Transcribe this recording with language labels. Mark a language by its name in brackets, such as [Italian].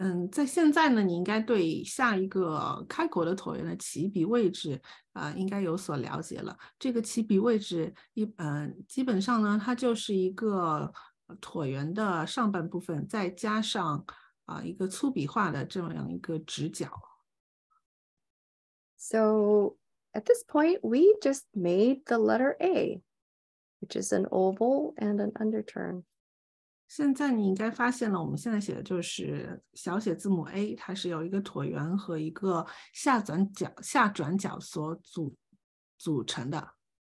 [Chinese] 在现在呢，你应该对下一个开口的椭圆的起笔位置应该有所了解了。这个起笔位置基本上呢，它就是一个椭圆的上半部分，再加上一个粗笔画的这样一个直角。 [English] So at this point, we just made the letter A, which is an oval and an underturn. [Chinese] 现在你应该发现了，我们现在写的就是小写字母 A， 它是由一个椭圆和一个下转角所组成的。